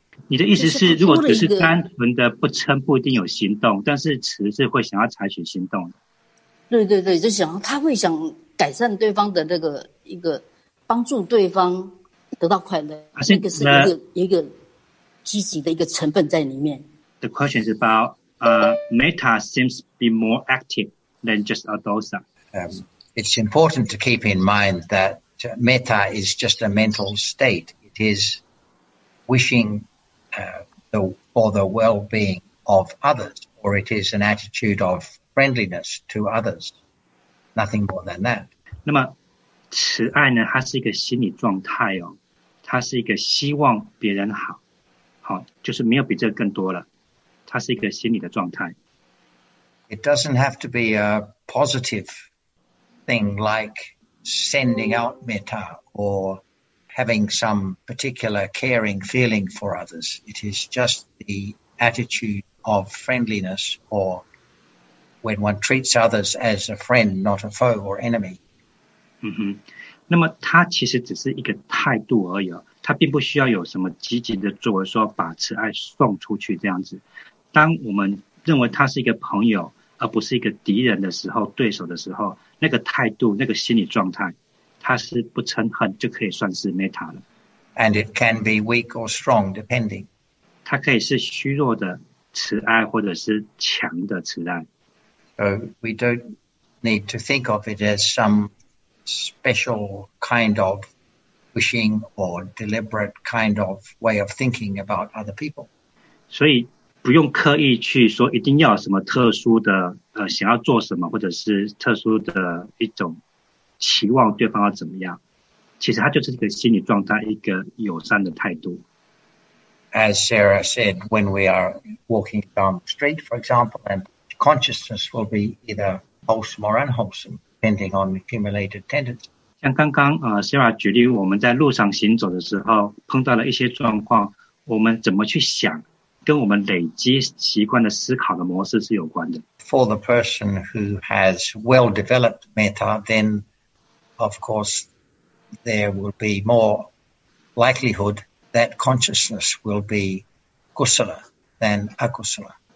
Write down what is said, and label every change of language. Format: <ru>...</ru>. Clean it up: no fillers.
<zh>你的意思是如果只是单纯的不嗔不一定有行动，但是慈是会想要采取行动的。对对对，就想他会想改善对方的那个一个帮助对方得到快乐，那个是一个积极的一个成分在里面。</zh> <en>The question is about metta seems to be more active than just a dosa. It's important to keep in mind that metta is just a mental state. It is wishing for the well-being of others, or it is an attitude of. Friendliness to others, nothing more than that.</en> <zh>那么，慈爱呢？它是一个心理状态哦，它是一个希望别人好，好，就是没有比这个更多了。它是一个心理的状态。</zh> <en>It doesn't have to be a positive thing like sending out metta or having some particular caring feeling for others. It is just the attitude of friendliness or. When one treats others as a friend, not a foe or enemy.</en> <zh>嗯哼，那么它其实只是一个态度而已，它并不需要有什么积极的作为，说把慈爱送出去这样子。当我们认为他是一个朋友，而不是一个敌人的时候，对手的时候，那个态度，那个心理状态，他是不嗔恨，就可以算是 metta 了。</zh> <en>And it can be weak or strong, depending.</en> <zh>它可以是虚弱的慈爱，或者是强的慈爱。</zh> <en>So we don't need to think of it as some special kind of wishing or deliberate kind of way of thinking about other people.</en> <zh>所以不用刻意去说一定要什么特殊的想要做什么，或者是特殊的一种期望对方要怎么样。其实它就是一个心理状态，一个友善的态度。</zh> <en>as Sarah said, when we are walking down the street, for example, and consciousness will be either wholesome or unwholesome, depending on accumulated tendencies.</en> <zh>像刚刚Sarah举例，我们在路上行走的时候碰到了一些状况，我们怎么去想，跟我们累积习惯的思考的模式是有关的。</zh> <en>For the person who has well-developed metta, then of course there will be more likelihood that consciousness will be kusala than akusala.</en>